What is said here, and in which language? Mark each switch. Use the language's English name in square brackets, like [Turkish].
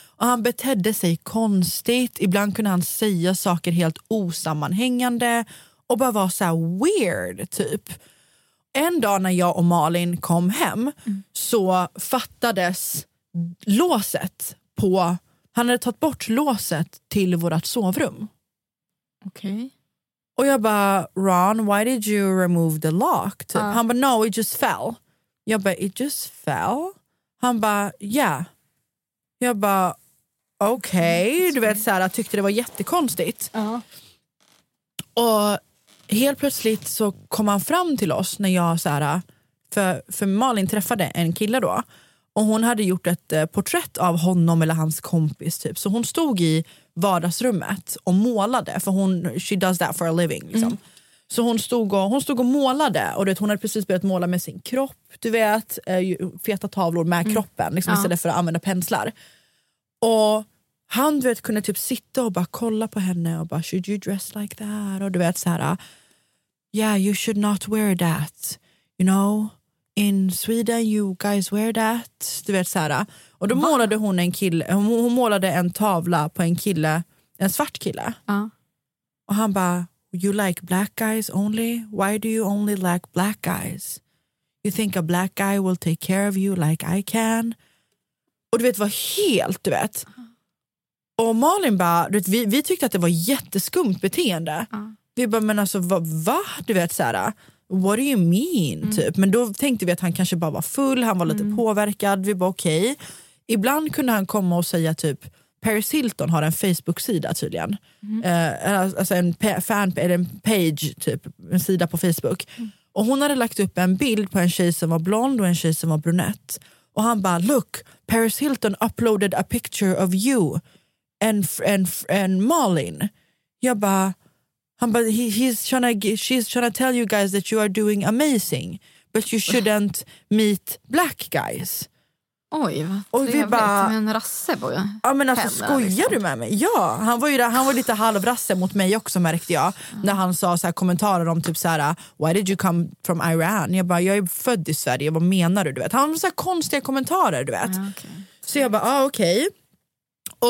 [Swedish] Och han betedde sig konstigt. Ibland kunde han säga saker helt osammanhängande. Och bara vara så här weird, typ. En dag när jag och Malin kom hem så fattades låset på... Han hade tagit bort låset till vårat sovrum. Okej. [English] Okay. [Swedish] Och jag bara, [English] Ron, why did you remove the lock? [Swedish] Typ. Han bara, [English] no, it just fell. [Swedish] Jag bara, [English] it just fell? [Swedish] Han bara, yeah. Jag bara... Okej, [English] okay, [Swedish] du vet såhär, jag tyckte det var jättekonstigt. Uh-huh. Och helt plötsligt så kom han fram till oss när jag såhär, för Malin träffade en kille då. Och hon hade gjort ett porträtt av honom eller hans kompis typ. Så hon stod i vardagsrummet och målade, för hon, [English] she does that for a living [Swedish] liksom. Mm. Så hon stod och målade, och du vet, hon hade precis börjat måla med sin kropp, du vet. Feta tavlor med kroppen liksom, istället för att använda penslar. Och han, du vet, kunde typ sitta och bara kolla på henne och bara, [English] should you dress like that? [Swedish] Och du vet så här, [English] yeah, you should not wear that. You know, in Sweden you guys wear that. [Swedish] Du vet så här. Och då målade hon en kille, hon målade en tavla på en kille, en svart kille. [English] Och han bara, you like black guys only? Why do you only like black guys? You think a black guy will take care of you like I can? [Swedish] Och du vet, var helt, du vet. Och Malin bara, du vet, vi tyckte att det var jätteskumt beteende. Vi bara, men alltså, va? Du vet, så här, [English] what do you mean? [Swedish] Typ. Men då tänkte vi att han kanske bara var full, han var lite påverkad. Vi bara, okej. [English] Okay. [Swedish] Ibland kunde han komma och säga typ, Paris Hilton har en Facebook-sida tydligen. Alltså en page, typ, en sida på Facebook. Mm. Och hon hade lagt upp en bild på en tjej som var blond och en tjej som var brunett. Och han bara, [English] look, Paris Hilton uploaded a picture of you and Malin. [Swedish] Jag bara, [English] she's trying to tell you guys that you are doing amazing, but you shouldn't meet black guys. [Swedish] Oj, vad trevligt. Och vi bara, en rasse på. Ja, men alltså, skojar du med mig? Ja, han var ju där, han var lite halvrasse mot mig också, märkte jag. Mm. När han sa så här kommentarer om typ så här, [English] why did you come from Iran? [Swedish] Jag bara, jag är född i Sverige, vad menar du? Du vet, han var så här konstiga kommentarer, du vet. Ja, [English] okay. [Swedish] Så jag bara, okej. [English] Okay.